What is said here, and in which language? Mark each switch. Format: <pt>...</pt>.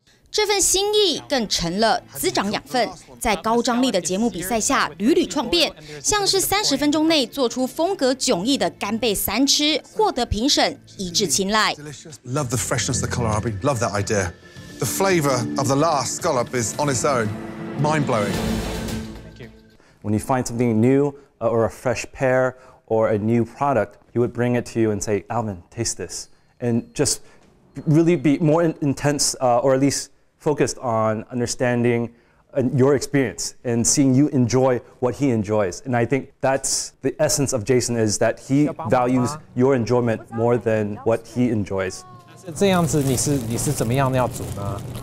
<zh>这份心意更成了滋长养分，在高张力的节目比赛下屡屡创变，像是30分钟内做出风格迥异的干贝三吃，获得评审一致青睐。</zh> <en>Love the freshness, the color, I love that idea. The flavor of the last scallop is on its own, mind-blowing. Thank you. When you find something new or a fresh pear or a new product, you would bring it to you and say, Alvin, taste this. And just really be more intense or at least focused on understanding your experience and seeing you enjoy what he enjoys. And I think that's the essence of Jason, is that he values your enjoyment more than what he enjoys.</en> <zh>这样子你是怎么样要煮呢？</zh>